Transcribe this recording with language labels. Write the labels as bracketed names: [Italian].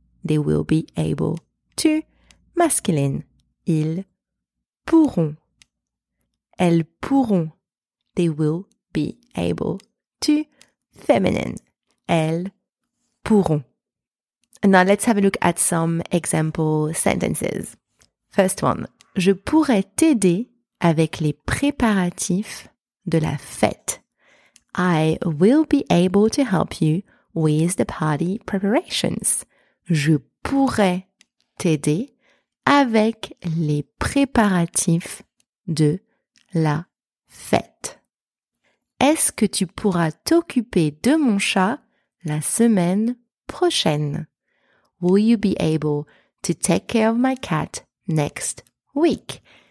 [English] They will be able to. Masculine, [French] ils pourront, elles pourront, [English] they will be able to, feminine, [French] elles pourront. [English] Now let's have a look at some example sentences. First one, [French] je pourrais t'aider avec les préparatifs de la fête. [English] I will be able to help you with the party preparations. [French] Je pourrais t'aider avec les préparatifs de la fête. Est-ce que tu pourras t'occuper de mon chat la semaine prochaine. [English] Will you be able to take care of my cat next week?